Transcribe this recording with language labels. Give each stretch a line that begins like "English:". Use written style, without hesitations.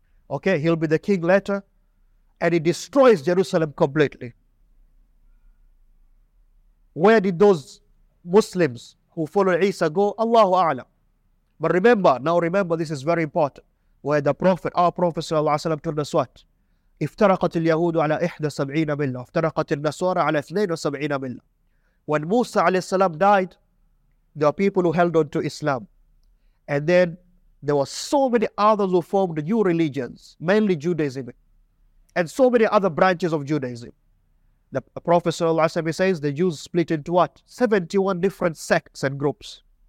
English: Okay, he'll be the king later. And he destroys Jerusalem completely. Where did those Muslims who followed Isa go? Allahu A'lam. But remember, now remember, this is very important. Where the Prophet, our Prophet sallallahu alayhi wa sallam, told us what?
Arabic: افترقت اليهود على 71 ملة افترقت النصارى على 72 ملة.
English: When Musa alayhi salam died, there were people who held on to Islam. And then there were so many others who formed new religions, mainly Judaism, and so many other branches of Judaism. The Prophet sallallahu alayhi wa sallam says the Jews split into what? 71 different sects and groups.